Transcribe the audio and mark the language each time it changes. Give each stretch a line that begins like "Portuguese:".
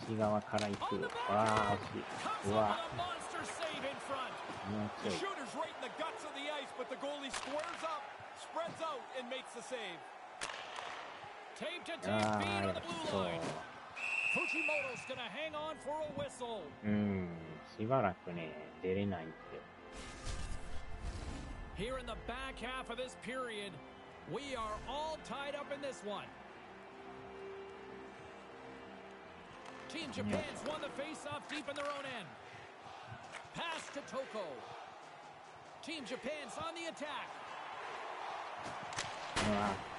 English: On the back end. Comes up with a monster save in front. The shooter's right in the guts of the ice, but the goalie squares up, spreads out, and makes the save. Tape to tape feed on the blue line. Fujimoto's gonna hang on for a whistle.
Japanese: しばらくね、出れないって。
English: Here in the back half of this period, we are all tied up in this one. Team Japan's won the faceoff deep in their own end. Pass to Toko. Team Japan's on the attack.